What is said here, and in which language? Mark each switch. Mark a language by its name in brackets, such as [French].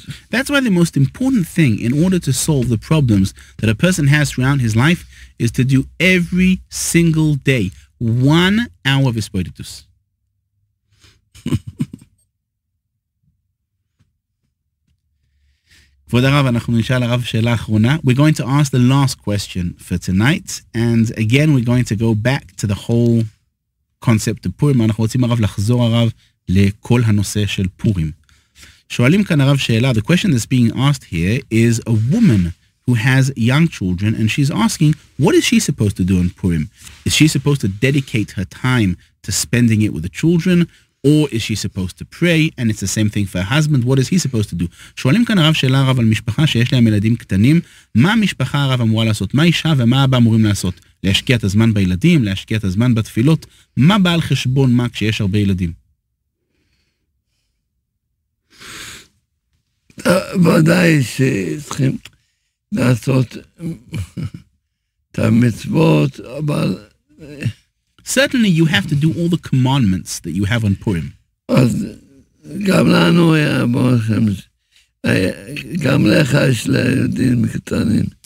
[English] That's why the most important thing in order to solve the problems that a person has throughout his life is to do every single day 1 hour of Espiritus. We're going to ask the last question for tonight, and again we're going to go back to the whole concept of Purim. [Hebrew] אנחנו רוצים הרב לחזור הרב לכל הנושא של פורים. שואלים כאן הרב שאלה, [English] the question that's being asked here is a woman who has young children and she's asking, what is she supposed to do on Purim? Is she supposed to dedicate her time to spending it with the children or is she supposed to pray? And it's the same thing for her husband, what is he supposed to do? [Hebrew] שואלים כאן הרב שאלה הרב על משפחה שיש להם ילדים קטנים, מה המשפחה הרב אמורה לעשות? מה אישה ומה אבא אמורים לעשות? להשקיע את הזמן בילדים, להשקיע את הזמן בתפילות? מה בא על חשבון מה כשיש הרבה ילדים? ודאי שצריכים לעשות את המצוות, אבל... [English] Certainly you have to do all the commandments that you have on Purim. [Hebrew] אז גם לנו היה בורכם, גם לך יש לילדים קטנים.